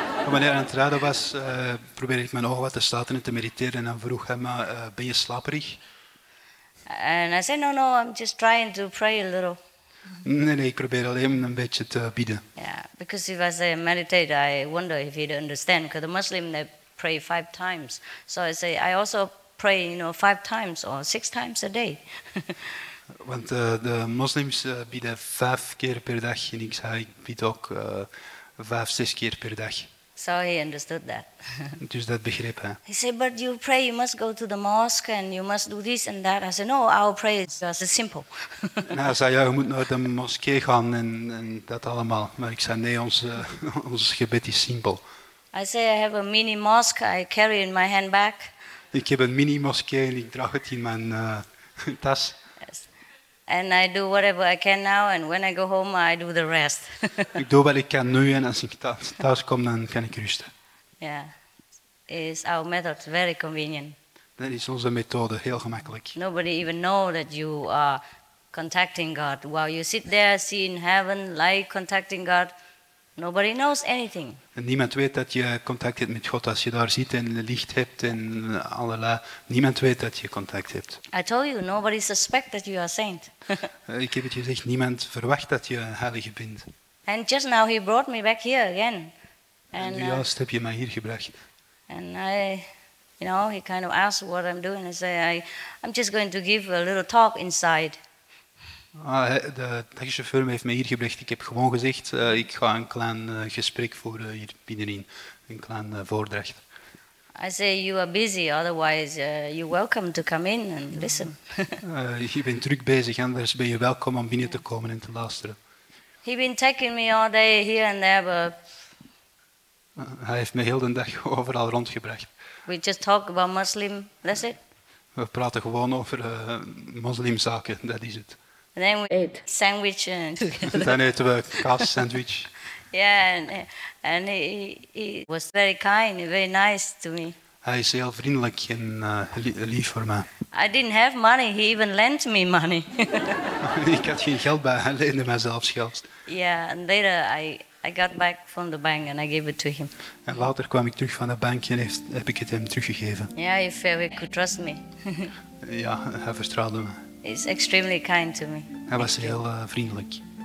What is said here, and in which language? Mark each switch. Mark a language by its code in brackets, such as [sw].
[nl] Wanneer aan het rijden was, probeerde ik mijn ogen wat te sluiten en te mediteren. En dan vroeg hij me, "Ben je slaperig?" [en] And I said, "No, I'm just trying to pray a little." [nl] Nee, ik probeer alleen een beetje te bidden. [en] Yeah, because if I say meditate, I wonder if he'd understand. Because the Muslim, they pray 5 times. So I say, I also pray, 5 times or 6 times a day. [nl] Want de moslims bieden 5 keer per dag. En ik zei, ik bied ook 5, 6 keer per dag. [en] So he understood that. [nl] Dus dat begreep hij. [en] He said, "But you pray, you must go to the mosque and you must do this and that." I said, "No, our prayer is just simple." [nl] Hij zei, ja, je moet naar de moskee gaan en dat allemaal. Maar ik zei, nee, ons gebed is simpel. [en] I say, "I have a mini mosque I carry in my handbag." [nl] Ik heb een mini moskee en ik draag het in mijn tas. [en] Yes. And I do whatever I can now and when I go home I do the rest. [nl] Ik doe wat ik kan nu en als ik thuis kom dan kan ik rusten. [en] Yeah. Is our method very convenient. [nl] Dat is onze methode, heel gemakkelijk. [en] Nobody even know that you are contacting God. While you sit there, see in heaven, like contacting God, nobody knows anything. [nl] En niemand weet dat je contact hebt met God als je daar zit en licht hebt en allerlei. Niemand weet dat je contact hebt. [en] I told you, nobody suspects that you are a saint. [nl] Ik heb het je gezegd, niemand verwacht dat je een heilige bent. [en] And just now he brought me back here again. [nl] En nu juist heb je mij hier gebracht. [en] And I, he kind of asked what I'm doing. I say, I'm just going to give a little talk inside. [nl] De taxichauffeur heeft me hier gebracht. Ik heb gewoon gezegd, ik ga een klein gesprek voeren hier binnenin, een klein voordracht. [en] I say you are busy, otherwise you're welcome to come in and listen. [nl] Je bent druk bezig, anders ben je welkom om binnen te komen en te luisteren. [en] He been taking me all day here and there, but [nl] hij heeft me heel de dag overal rondgebracht. [en] We just talk about Muslim, that's it. [nl] We praten gewoon over moslimzaken, dat is het. [en] And then we ate sandwich together. [nl] Dan eten we kaas sandwich. [en] Yeah, and he was very kind, very nice to me. [nl] Hij is heel vriendelijk en lief voor mij. [en] I didn't have money, he even lent me money. [nl] Ik had geen geld bij, hij leende mij zelfs geld. [en] Yeah, and later I got back from the bank and I gave it to him. [nl] En later kwam ik terug van de bank en heb ik het hem teruggegeven. [en] Yeah, he felt he could trust me. [nl] Ja, hij vertrouwde me. [en] He's extremely kind to me. [nl] Hij was heel vriendelijk.